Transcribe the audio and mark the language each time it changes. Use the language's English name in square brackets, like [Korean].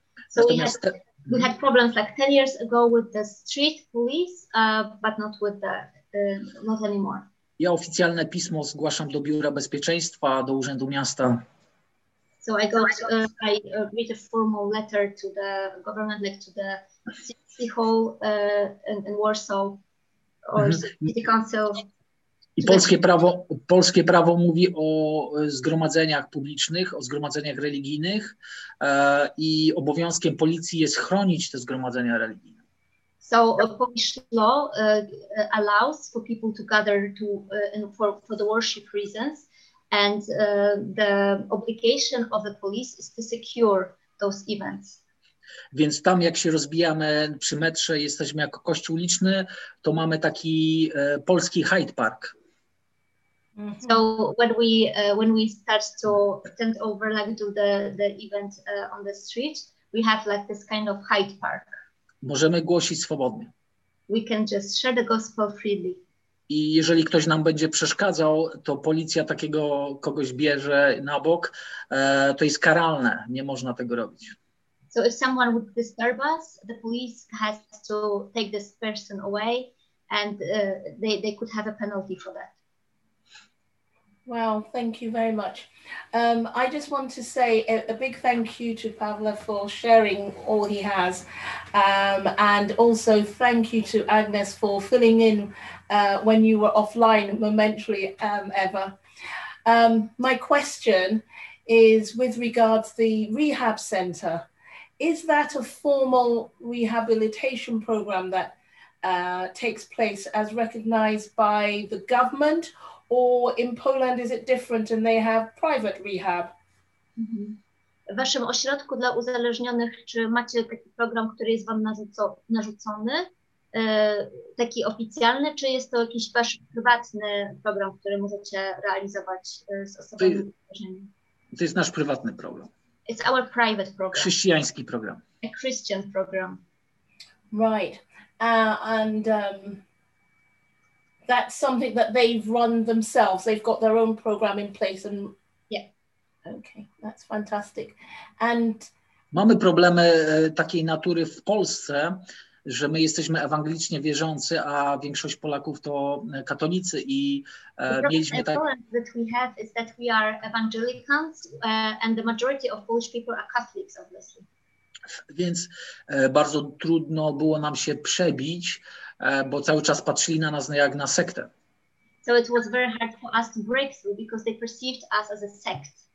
[English] So we had problems like 10 years ago with the street police, but not with the, not anymore. [Polish] Ja oficjalne pismo zgłaszam do Biura Bezpieczeństwa, do Urzędu Miasta. [English] So I got, I write a formal letter to the government, like to the city hall in Warsaw, or city council. [Polish] I polskie prawo mówi o zgromadzeniach publicznych, o zgromadzeniach religijnych i obowiązkiem policji jest chronić te zgromadzenia religijne. [English] So Polish law allows for people to gather to for the worship reasons, and the obligation of the police is to secure those events. [Polish] Więc tam, jak się rozbijamy przy metrze, jesteśmy jako kościół uliczny, to mamy taki polski Hyde Park. Mm-hmm. [English] So when we start to tend over like to the event on the street, we have like this kind of Hyde Park. [Polish] Możemy głosić swobodnie. [English] We can just share the gospel freely. [Polish] I jeżeli ktoś nam będzie przeszkadzał, to policja takiego kogoś bierze na bok. To jest karalne. Nie można tego robić. [English] So if someone would disturb us, the police has to take this person away and they could have a penalty for that. Wow, thank you very much. I just want to say a big thank you to Pawle for sharing all he has. And also thank you to Agnes for filling in when you were offline momentarily, Eva. My question is with regards to the rehab center. Is that a formal rehabilitation program that takes place as recognized by the government? Or in Poland is it different and they have private rehab? [Polish] W waszym ośrodku dla uzależnionych, czy macie taki program, który jest wam narzucony, taki oficjalny, czy jest to jakiś wasz prywatny program, który możecie realizować z osobami uzależnionymi? To jest nasz prywatny program. [English] It's our private program. [Polish] Chrześcijański program. [English] A Christian program. Right. That's something that they've run themselves. They've got their own program in place. And yeah. Okay, that's fantastic. And [Polish] mamy problemy takiej natury w Polsce, że my jesteśmy ewangelicznie wierzący, a większość Polaków to katolicy i mieliśmy tak. [English] The problem that we have is that we are evangelicals and the majority of Polish people are Catholics, obviously. [Polish] Więc bardzo trudno było nam się przebić, bo cały czas patrzyli na nas jak na sektę. [English] So it was very hard for us to break through because they perceived us as a sect.